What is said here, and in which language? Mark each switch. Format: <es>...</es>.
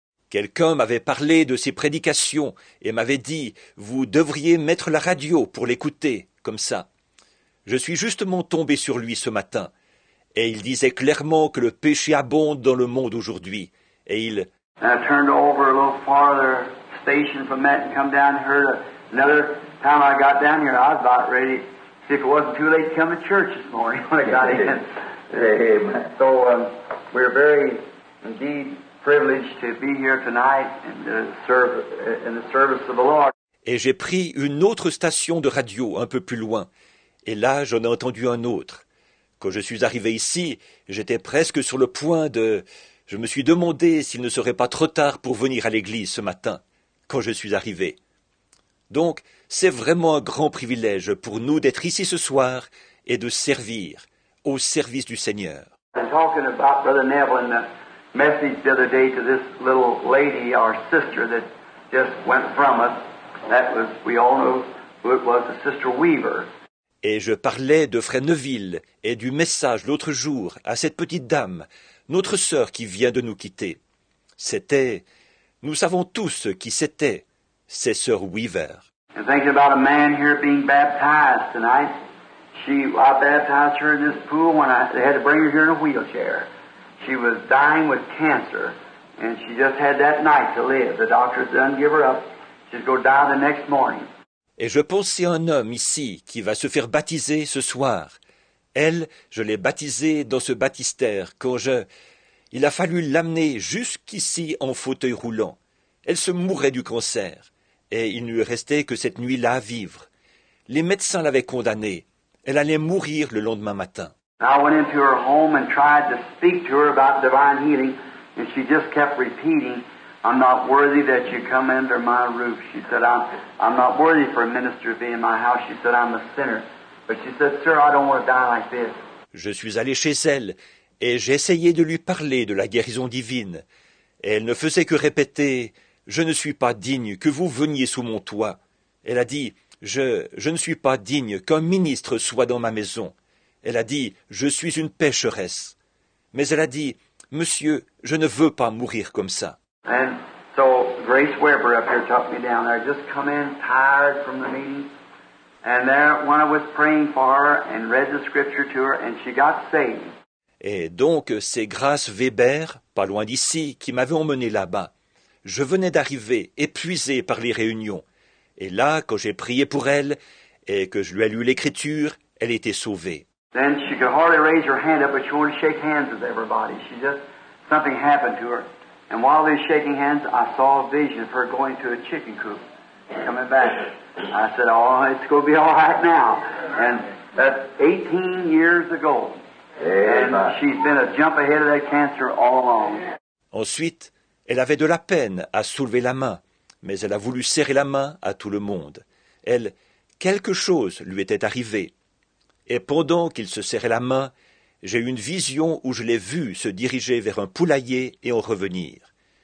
<fr>Quelqu'un m'avait parlé de ses prédications et m'avait dit « Vous devriez mettre la radio pour l'écouter, comme ça. » Je suis justement tombé sur lui ce matin et il disait clairement que le péché abonde dans le monde aujourd'hui. Et il...</fr> <en>I turned over a little farther station from that and come down here. Another time I got down here, I was about ready. See, if it wasn't too late to come to church this morning when I got in. Amen. So we're very indeed... privilege to be here tonight and serve in the service of the Lord.</en> <fr>Et j'ai pris une autre station de radio un peu plus loin. Et là, j'en ai entendu un autre. Quand je suis arrivé ici, j'étais presque sur le point de... Je me suis demandé s'il ne serait pas trop tard pour venir à l'église ce matin, quand je suis arrivé. Donc, c'est vraiment un grand privilège pour nous d'être ici ce soir et de servir au service du Seigneur.</fr> <en>I'm talking about Brother Neville and message the other day to this little lady, our sister, that just went from us. That was, we all know who it was, the sister Weaver.</en> <fr>Et je parlais de Frère Neville et du message l'autre jour à cette petite dame, notre sœur qui vient de nous quitter. C'était, nous savons tous qui c'était, c'est sœur Weaver.</fr> <en>And thinking about a man here being baptized tonight, I baptized her in this pool when they had to bring her here in a wheelchair. She was dying with cancer, and she just had that night to live. The doctors didn't give her up. She'd go die the next morning.</en> <fr>Et je pensais à un homme ici qui va se faire baptiser ce soir. Elle, je l'ai baptisée dans ce baptistère quand je... Il a fallu l'amener jusqu'ici en fauteuil roulant. Elle se mourait du cancer, et il ne lui restait que cette nuit-là à vivre. Les médecins l'avaient condamnée. Elle allait mourir le lendemain matin.</fr> <en>I went into her home and tried to speak to her about divine healing, and she just kept repeating, I'm not worthy that you come under my roof. She said, I'm not worthy for a minister to be in my house. She said, I'm a sinner. But she said, sir, I don't want to die like this.</en> <fr>Je suis allé chez elle, et j'ai essayé de lui parler de la guérison divine. Et elle ne faisait que répéter, je ne suis pas digne que vous veniez sous mon toit. Elle a dit, je ne suis pas digne qu'un ministre soit dans ma maison. Elle a dit, « Je suis une pécheresse. » Mais elle a dit, « Monsieur, je ne veux pas mourir comme ça. »</fr> <en>So Grace Weber up here took me down there. I just come in tired from the meeting. And there, when I was praying for her and read the scripture to her, and she got saved.</en> <fr>Et donc, c'est Grace Weber, pas loin d'ici, qui m'avait emmené là-bas. Je venais d'arriver, épuisé par les réunions. Et là, quand j'ai prié pour elle et que je lui ai lu l'écriture, elle était sauvée.</fr> <en>Then she could hardly raise her hand up, but she wanted to shake hands with everybody. She just, something happened to her. And while they were shaking hands, I saw a vision of her going to a chicken coop and coming back. I said, oh, it's going to be all right now. And that's 18 years ago. And she's been a jump ahead of that cancer all along.</en> <fr>Ensuite, elle avait de la peine à soulever la main, mais elle a voulu serrer la main à tout le monde. Elle, quelque chose lui était arrivé. Et pendant qu'il se serrait la main, j'ai eu une vision où je l'ai vu se diriger vers un poulailler et en revenir.</fr>